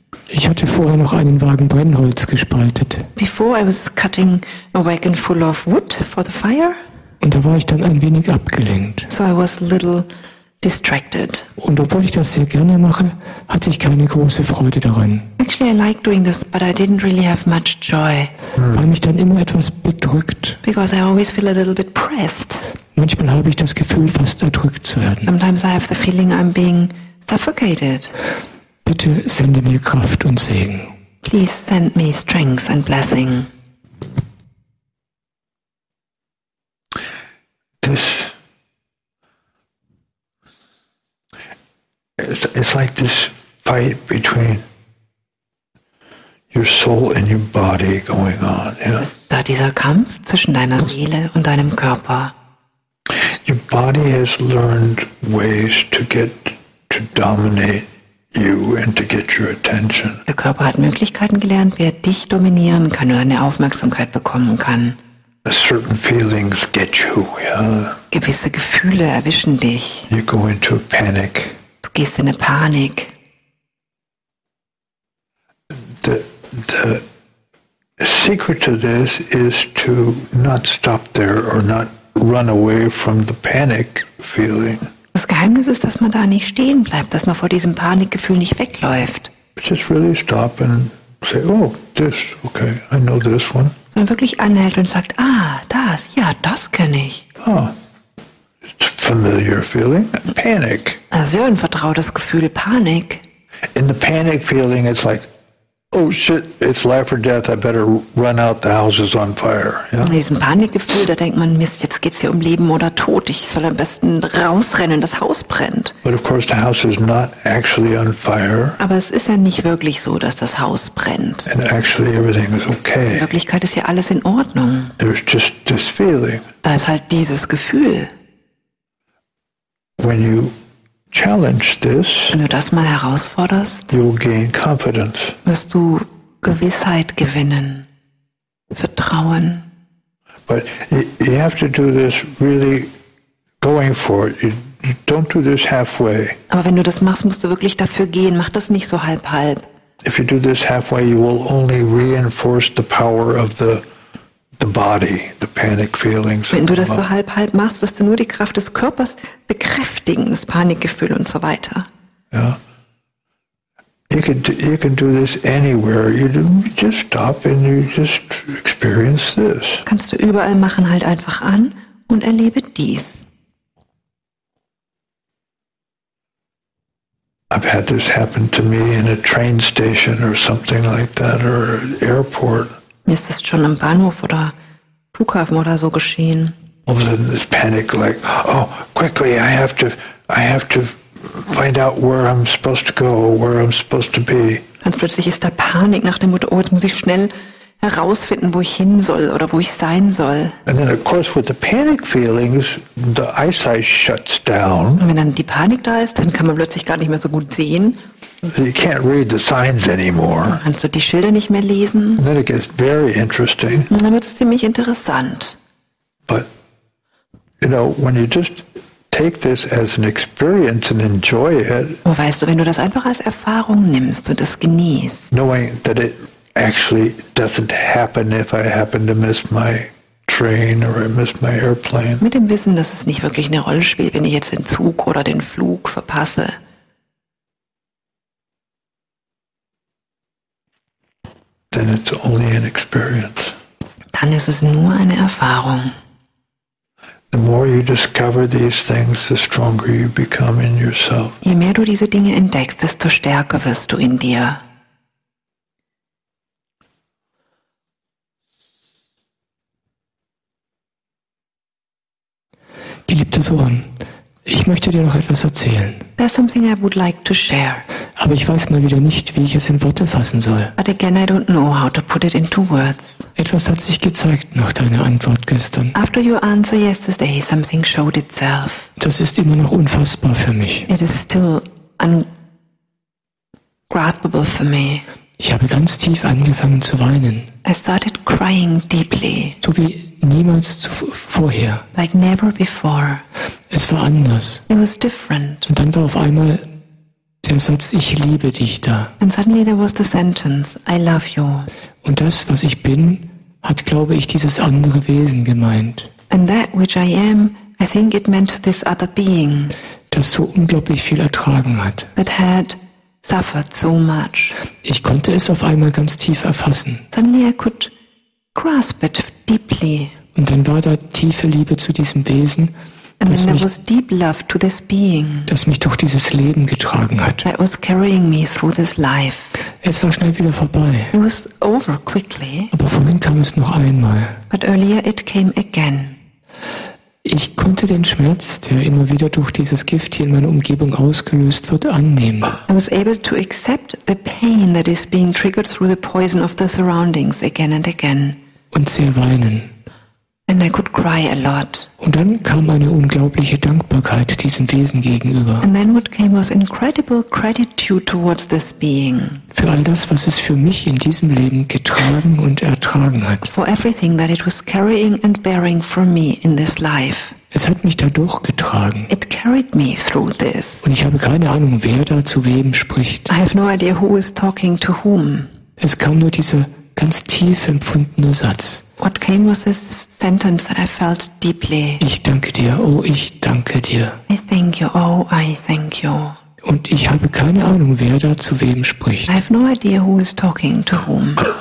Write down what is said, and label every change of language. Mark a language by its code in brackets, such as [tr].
[de] Ich hatte vorher noch einen Wagen Brennholz gespaltet. [en] Before I was cutting a wagon full of wood for the fire. [de] Und da war ich dann ein wenig abgelenkt. [en] So I was a little distracted. [de] Und obwohl ich das sehr gerne mache, hatte ich keine große Freude daran. [en] Actually, I like doing this, but I didn't really have much joy. [de] Weil mich dann immer etwas bedrückt. [en] Because I always feel a little bit pressed. [de] Manchmal habe ich das Gefühl, fast erdrückt zu werden. [en] Sometimes I have the feeling I'm being suffocated. [de] Bitte sende mir Kraft und Segen. [en] Please send me strength and blessing. This it's like this fight between your soul and your body going on. Yeah? [de] Es ist da dieser Kampf zwischen deiner Seele und deinem Körper. [en] Your body has learned ways to get to dominate you and to get your attention. [de] Der Körper hat Möglichkeiten gelernt, wie er dich dominieren kann oder deine Aufmerksamkeit bekommen kann. [en] Certain feelings get you, yeah? [de] Gewisse Gefühle erwischen dich. [en] You go into a panic. [de] Du gehst in eine Panik. [en] The secret to this is to not stop there or not run away from the panic feeling. [de] Das Geheimnis ist, dass man da nicht stehen bleibt, dass man vor diesem Panikgefühl nicht wegläuft. [en] Just really stop and say, oh, this, okay, I know this one. [de] Sondern wirklich anhält und sagt, ah, das, ja, das kenne ich. [en] Oh, it's a familiar feeling, panic. [de] Also ja, ein vertrautes Gefühl, Panik. [en] In the panic feeling, it's like, oh shit, it's life or death, I better run out, the house is on fire. Yeah? [de] In diesem Panikgefühl, da denkt man, Mist, jetzt geht's hier um Leben oder Tod, ich soll am besten rausrennen, das Haus brennt. [en] But of course the house is not actually on fire. [de] Aber es ist ja nicht wirklich so, dass das Haus brennt. [en] And actually everything is okay. [de] In Wirklichkeit ist hier alles in Ordnung. [en] There's just this feeling. [de] Da ist halt dieses Gefühl. [en] When you challenge this, [de] wenn du das mal herausforderst, [en] you'll gain confidence. [de] Wirst du Gewissheit gewinnen, Vertrauen. [en] But you have to do this really going for it. You don't do this halfway. [de] Aber wenn du das machst, musst du wirklich dafür gehen. Mach das nicht so halb. [en] If you do this halfway, you will only reinforce the power of the body, the panic feelings. [de] Wenn du das so halb machst, wirst du nur die Kraft des Körpers bekräftigen, das Panikgefühl und so weiter. [en] Ja. You can do this anywhere. You just stop and you just experience this. [de] Kannst du überall machen, halt einfach an und erlebe dies. [en] I've had this happen to me in a train station or something like that or an airport. [de] Mir ist es schon im Bahnhof oder Flughafen oder so geschehen. [en] All of a sudden this panic, like, oh, quickly, I have to find out where I'm supposed to go, where I'm supposed to be. [de] Ganz plötzlich ist da Panik nach dem Motto, oh, jetzt muss ich schnell herausfinden, wo ich hin soll oder wo ich sein soll. [en] And then of course with the panic feelings, the eyesight shuts down. [de] Und wenn dann die Panik da ist, dann kann man plötzlich gar nicht mehr so gut sehen. [en] You can't read the signs anymore. [de] Also die Schilder nicht mehr lesen. [en] And then it gets very interesting. [de] Und dann wird es ziemlich interessant. [en] But you know, when you just take this as an experience and enjoy it. [de] Weißt du, wenn du das einfach als Erfahrung nimmst und es genießt. [en] Knowing that it actually doesn't happen if I happen to miss my train or I miss my airplane. [de] Mit dem Wissen, dass es nicht wirklich eine Rolle spielt, wenn ich jetzt den Zug oder den Flug verpasse. [en] Then it's only an experience. [de] Dann ist es nur eine Erfahrung. [en] The more you discover these things, the stronger you become in yourself. [de] Je mehr du diese Dinge entdeckst, desto stärker wirst du in dir. Geliebte Sohn, ich möchte dir noch etwas erzählen. [en] There's something I would like to share. [de] Aber ich weiß mal wieder nicht, wie ich es in Worte fassen soll. [en] But again, I don't know how to put it into words. [de] Etwas hat sich gezeigt nach deiner Antwort gestern. [en] After your answer yesterday, something showed itself. [de] Das ist immer noch unfassbar für mich. [en] It is still ungraspable for me. [de] Ich habe ganz tief angefangen zu weinen. [en] I started crying deeply. [de] So wie niemals vorher. [en] Like never before. [de] Es war anders. [en] It was different. [de] Und dann war auf einmal der Satz, ich liebe dich da. [en] And suddenly there was the sentence, I love you. [de] Und das, was ich bin, hat, glaube ich, dieses andere Wesen gemeint. [en] And that which I am, I think it meant this other being. [de] Das so unglaublich viel ertragen hat. [en] That had suffered so much. [de] Ich konnte es auf einmal ganz tief erfassen. [en] Suddenly I could grasp it deeply. [de] Und dann war da tiefe Liebe zu diesem Wesen, das mich durch dieses Leben getragen hat. [en] That was carrying me through this life. [de] Es war schnell wieder vorbei. [en] It was over quickly. [de] Aber vorhin kam es noch einmal. [en] But earlier it came again. [de] Ich konnte den Schmerz, der immer wieder durch dieses Gift hier in meiner Umgebung ausgelöst wird, annehmen. [en] I was able to accept the pain that is being triggered through the poison of the surroundings again and again. [de] Und sehr weinen. [en] And I could cry a lot. [de] Und dann kam eine unglaubliche Dankbarkeit diesem Wesen gegenüber. [en] And then what came was incredible gratitude towards this being. [de] Für all das, was es für mich in diesem Leben getragen und ertragen hat. [en] For everything that it was carrying and bearing for me in this life. [de] Es hat mich dadurch getragen. [en] It carried me through this. [de] Und ich habe keine Ahnung, wer da zu wem spricht. [en] I have no idea who is talking to whom. [de] Es kam nur dieser ganz tief empfundene Satz. [en] What came was this sentence that I felt deeply. [de] Ich danke dir, oh, ich danke dir. [en] I thank you, oh, I thank you. [de] Und ich habe keine Ahnung, wer da zu wem spricht. [en] I have no idea who is talking to whom.